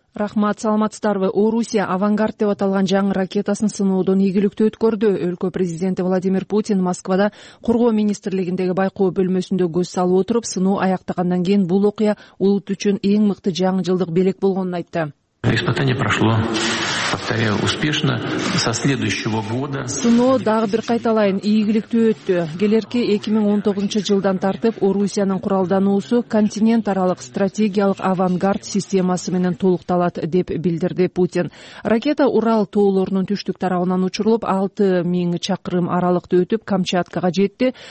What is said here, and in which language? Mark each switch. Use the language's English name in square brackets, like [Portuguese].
[Kyrgyz] Рахмат, саламатсыздарбы. Орусия авангард деп аталган жаңы ракетасын сыноодон ийгиликтүү өткөрдү. Өлкө президенти Владимир Путин Москвада коргоо министрлигиндеги байкоо бөлмөсүндө көз салып отуруп, сыноо аяктагандан кийин бул окуя улут үчүн эң мыкты жаңы жылдык белек болгонун айтты. [Russian] Испытание прошло, повторяю, успешно. Со следующего года. [Kyrgyz] Сыноо дагы бир кайталайын, ийгиликтүү өттү. Келерки 2019 жылдан тартып Орусиянын куралдануусу континент аралык стратегиялык авангард системасы менен толукталат деп билдирди Путин. Ракета Урал тоолорунун түштүк тарабынан учурулуп 6000 чакырым аралыкты өтүп Камчаткага жетти.